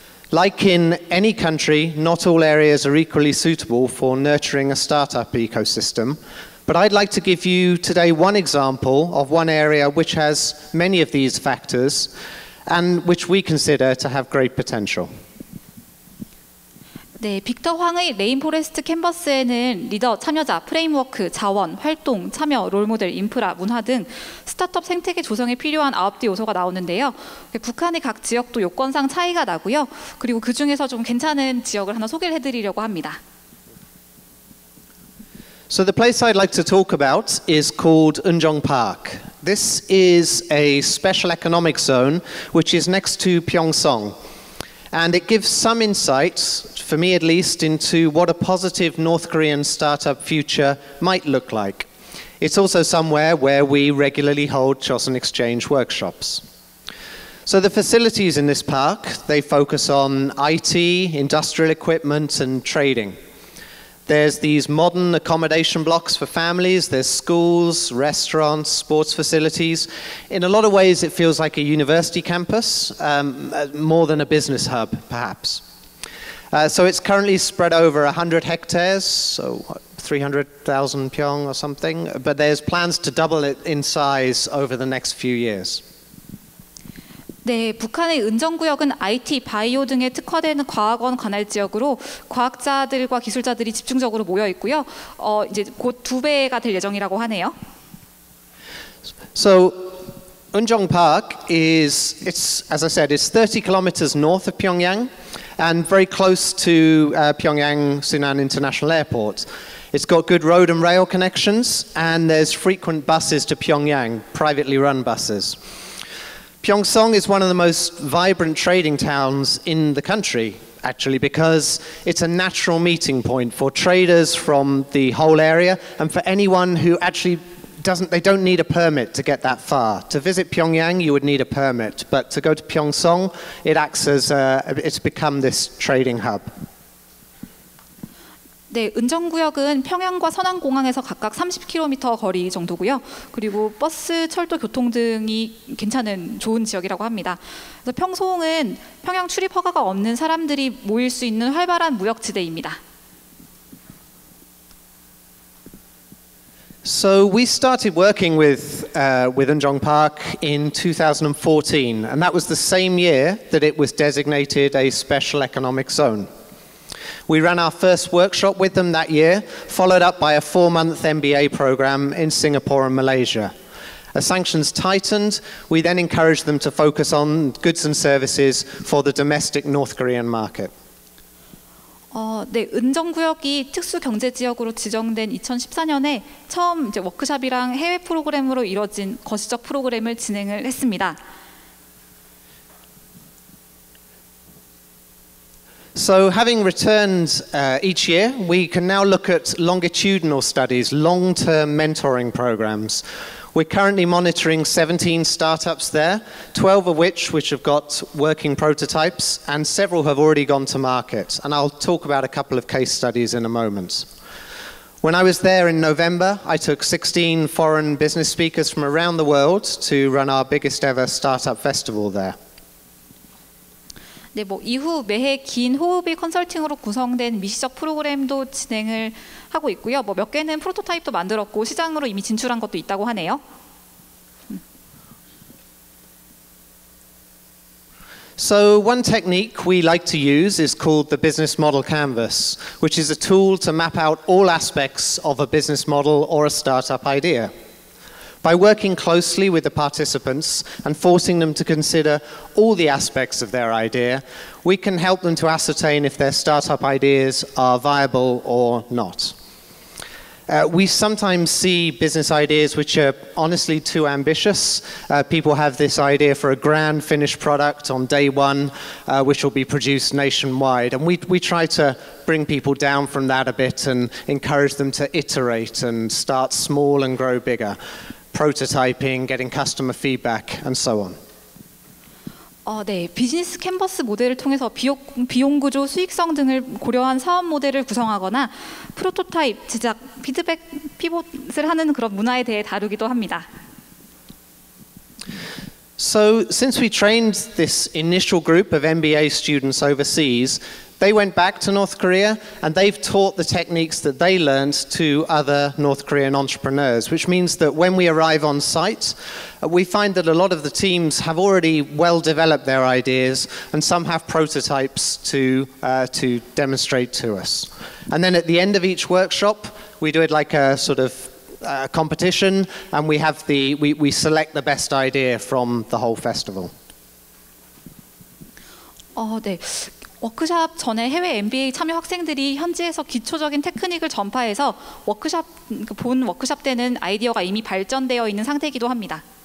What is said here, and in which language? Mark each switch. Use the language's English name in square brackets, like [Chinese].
[English] Like in any country, not all areas are equally suitable for nurturing a startup ecosystem. But I'd like to give you today one example of one area which has many of these factors and which we consider to have great potential. [Korean] 네, 빅터 황의 레인포레스트 캠퍼스에는 리더, 참여자, 프레임워크, 자원, 활동, 참여, 롤모델, 인프라, 문화 등 스타트업 생태계 조성에 필요한 9대 요소가 나오는데요. 북한의 각 지역도 요건상 차이가 나고요. 그리고 그 중에서 좀 괜찮은 지역을 하나 소개를 해드리려고 합니다. [English] So the place I'd like to talk about is called Eunjong Park. This is a special economic zone which is next to Pyeongsong. And it gives some insights, for me at least, into what a positive North Korean startup future might look like. It's also somewhere where we regularly hold Choson Exchange workshops. So the facilities in this park, they focus on IT, industrial equipment, and trading. There's these modern accommodation blocks for families, there's schools, restaurants, sports facilities. In a lot of ways, it feels like a university campus, more than a business hub, perhaps. So it's currently spread over 100 hectares, so 300,000 pyeong or something, but there's plans to double it in size over the next few years. [Korean] 네, 북한의 은정 구역은 IT, 바이오 등에 특화된 과학원 관할 지역으로 과학자들과 기술자들이 집중적으로 모여 있고요. 이제 곧 두 배가 될 예정이라고 하네요. [English] So, Eunjong Park is it's 30 kilometers north of Pyongyang and very close to Pyongyang Sunan International Airport. It's got good road and rail connections and there's frequent buses to Pyongyang, privately run buses. Pyeongsong is one of the most vibrant trading towns in the country, actually, because it's a natural meeting point for traders from the whole area and for anyone who actually doesn't, they don't need a permit to get that far. To visit Pyongyang, you would need a permit, but to go to Pyeongsong, it acts as, it's become this trading hub. [Korean] 네, 은정 구역은 평양과 선안 공항에서 각각 30km 거리 정도고요. 그리고 버스, 철도 교통 등이 괜찮은 좋은 지역이라고 합니다. 그래서 평송은 평양 출입 허가가 없는 사람들이 모일 수 있는 활발한 무역 지대입니다. [English] So we started working with Eunjong Park in 2014 and that was the same year that it was designated a special economic zone. We ran our first workshop with them that year, followed up by a four-month MBA program in Singapore and Malaysia. As sanctions tightened, we then encouraged them to focus on goods and services for the domestic North Korean market. [Korean] 네, 은정 구역이 특수 경제 지역으로 지정된 2014년에 처음 이제 워크숍이랑 해외 프로그램으로 이뤄진 거시적 프로그램을 진행을 했습니다. [English] So having returned each year, we can now look at longitudinal studies, long-term mentoring programs, We're currently monitoring 17 startups there, 12 of which have got working prototypes, and several have already gone to market. And I'll talk about a couple of case studies in a moment. When I was there in November, I took 16 foreign business speakers from around the world to run our biggest ever startup festival there. [Korean] 네, 뭐 이후 매해 긴 호흡이 컨설팅으로 구성된 미시적 프로그램도 진행을 하고 있고요. 뭐 몇 개는 프로토타입도 만들었고 시장으로 이미 진출한 것도 있다고 하네요. [English] So one technique we like to use is called the business model canvas, which is a tool to map out all aspects of a business model or a startup idea. By working closely with the participants and forcing them to consider all the aspects of their idea, we can help them to ascertain if their startup ideas are viable or not. We sometimes see business ideas which are honestly too ambitious. People have this idea for a grand finished product on day one, which will be produced nationwide. And we try to bring people down from that a bit and encourage them to iterate and start small and grow bigger. Prototyping, getting customer feedback, and so on. [Korean] 네, 비즈니스 캔버스 모델을 통해서 비용 구조, 수익성 등을 고려한 사업 모델을 구성하거나 프로토타입 제작, 피드백 피봇을 하는 그런 문화에 대해 다루기도 합니다. [English] So since we trained this initial group of MBA students overseas, they went back to North Korea and they've taught the techniques that they learned to other North Korean entrepreneurs, which means that when we arrive on site, we find that a lot of the teams have already well developed their ideas and some have prototypes to demonstrate to us. And then at the end of each workshop, we do it like a sort of competition and we select the best idea from the whole festival. 네. [Korean] 워크숍 전에 해외 MBA 참여 학생들이 현지에서 기초적인 테크닉을 전파해서 워크숍 본 워크숍 때는 아이디어가 이미 발전되어 있는 상태이기도 합니다.